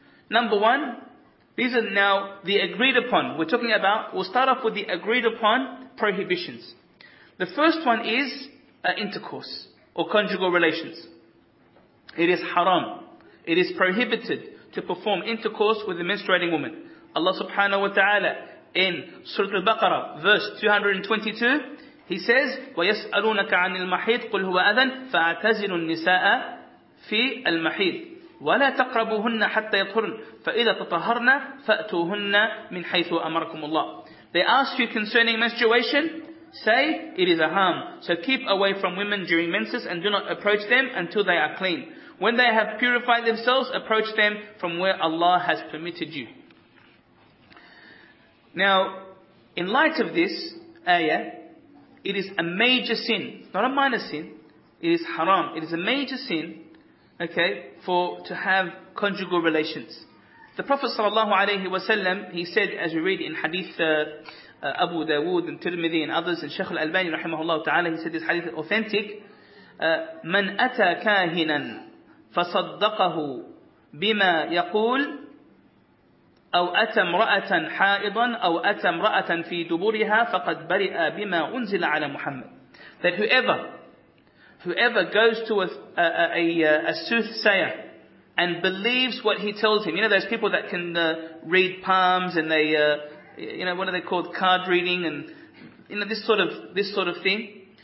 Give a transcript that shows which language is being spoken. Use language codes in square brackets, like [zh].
[en] Number one, these are now the agreed upon. We're talking about, we'll start off with the agreed upon prohibitions. The first one is intercourse or conjugal relations. It is haram. It is prohibited to perform intercourse with a menstruating woman. Allah subhanahu wa ta'ala in Surah Al-Baqarah, verse 222, he says, [ar] وَيَسْأَلُونَكَ عَنِ الْمَحِيطِ قُلْ هُوَ أَذًا فَأَعْتَزِلُ النِّسَاءَ فِي الْمَحِيطِ وَلَا تَقْرَبُوهُنَّ حَتَّى يَطْهُرْنَ فَإِذَا تَطَهَرْنَ فَأْتُوهُنَّ مِنْ حَيْثُ أَمَرَكُمُ اللَّهِ. [en] They ask you concerning menstruation, say, it is a harm. So keep away from women during menses and do not approach them until they are clean. When they have purified themselves, approach them from where Allah has permitted you. Now, in light of this ayah, it is a major sin, not a minor sin. It is haram. It is a major sin, okay, to have conjugal relations. The Prophet sallallahu alayhi wa sallam, he said, as we read in hadith Abu Dawood and Tirmidhi and others, and Shaykh al-Albani rahimahullah ta'ala, he said this hadith is authentic. [ar] Man ata kahinan fasaddaqahu bima yaqul, أو أتى امرأة حائضا أو أتى امرأة في دبورها فقد برئ بما أنزل على محمد. [en] That whoever goes to a soothsayer and believes what he tells him, you know, those people that can read palms and they you know, what are they called, card reading, and you know, this sort of thing.